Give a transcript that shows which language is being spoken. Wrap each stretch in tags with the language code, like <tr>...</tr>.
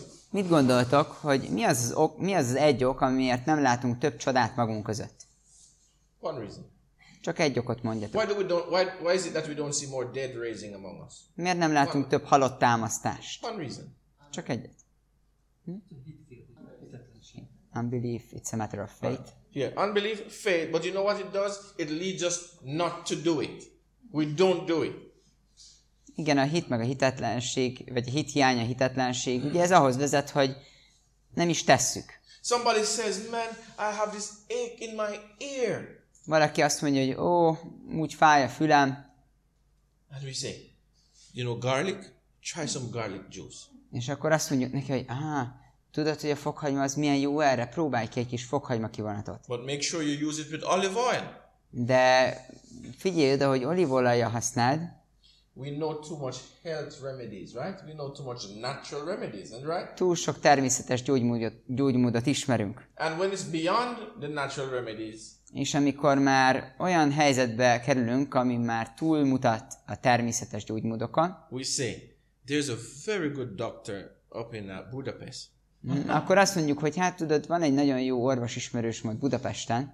<hu>Mit gondoltok, hogy mi az egy ok, amiért nem látunk több csodát magunk között?</hu> <en>One reason.</en> <hu>Csak egy okot mondjatok.</hu> <en>Why is it that we don't see more dead raising among us?</en> <hu>Miért nem látunk több halott támasztást?</hu> <en>One reason.</en> <hu>Csak egyet.</hu> <en>Unbelief, it's a matter of faith. Yeah, unbelief, faith, but you know what it does? It leads us not to do it. We don't do it.</en> <hu>Igen, a hit meg a hitetlenség, vagy a hit hiánya, a hitetlenség, ugye ez ahhoz vezet, hogy nem is tesszük.</hu> <en>Somebody says, man, I have this ache in my ear.</en> <hu>Valaki azt mondja, hogy ó, úgy fáj a fülem.</hu> <en>And we say, you know garlic? Try some garlic juice.</en> <hu>És akkor azt mondjuk neki, hogy tudod, hogy a fokhagyma az milyen jó erre? Próbálj ki egy kis fokhagyma kivonatot.</hu> <en>But make sure you use it with olive oil.</en> <hu>De figyelj oda, hogy olívolajja használd.</hu> <en>We know too much health remedies, right? We know too much natural remedies, and right?</en> <hu>Túl sok természetes gyógymódot ismerünk.</hu> <en>And when it's beyond the natural remedies.</en> <hu>És amikor már olyan helyzetbe kerülünk, ami már túlmutat a természetes gyógymódokon.</hu> <en>We say, there's a very good doctor up in Budapest.</en> <hu>Akkor azt mondjuk, hogy hát tudod, van egy nagyon jó orvos ismerős majd Budapesten.</hu>